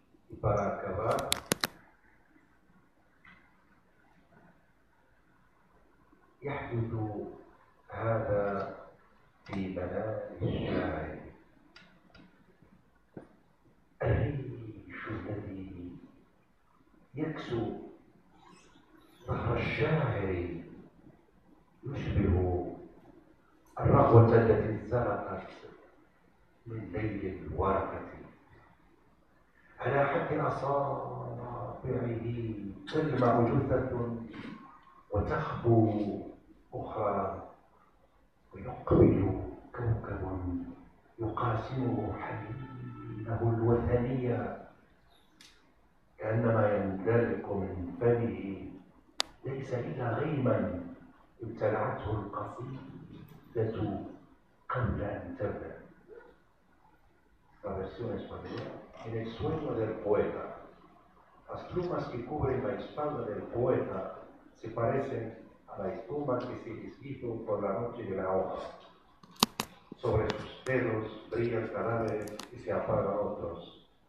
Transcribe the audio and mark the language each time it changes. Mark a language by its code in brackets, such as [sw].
[es] Y para acabar, [ar] يحدث هذا في بلاء الشاعر الريش الذي يكسو ظهر الشاعر يشبه الرغوة التي انزلقت من ذيل الورقة على حد أصابعه تلمع جثة وتخبو أخرى ويقبل كوكب يقاسمه حنينه الوثنية كأنما يمتلك من فمه ليس إلا غيما ابتلعته القصيدة قبل أن تبدأ. [es] La versión española. En el sueño del poeta, las plumas que cubren la espalda del poeta se parecen a la espuma que se deshizo por la noche de la hoja. Sobre sus dedos brillan cadáveres y se apagan otros.